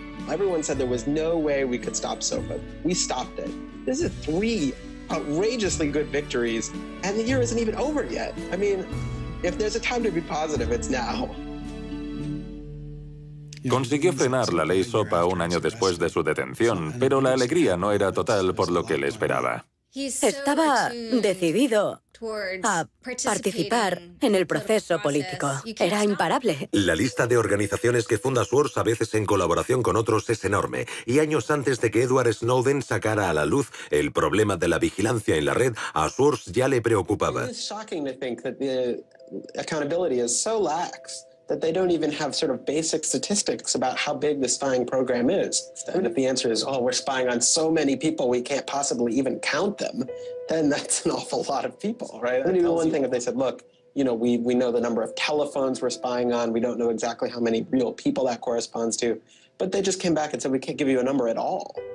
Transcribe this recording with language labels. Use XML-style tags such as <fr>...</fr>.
<en>Everyone said there was no way we could stop SOPA. We stopped it. This is three outrageously good victories, and the year isn't even over yet. I mean, if there's a time to be positive, it's now.</en> <es>Consiguió frenar la ley SOPA un año después de su detención, pero la alegría no era total por lo que le esperaba. Estaba decidido a participar en el proceso político. Era imparable. La lista de organizaciones que funda Swartz, a veces en colaboración con otros, es enorme. Y años antes de que Edward Snowden sacara a la luz el problema de la vigilancia en la red, a Swartz ya le preocupaba. Es</es> <en>shocking to think that the accountability is so lax that they don't even have sort of basic statistics about how big the spying program is. And if the answer is, oh, we're spying on so many people we can't possibly even count them, then that's an awful lot of people, right? That tells you one thing if they said, look, you know, we know the number of telephones we're spying on, we don't know exactly how many real people that corresponds to, but they just came back and said, we can't give you a number at all.</en>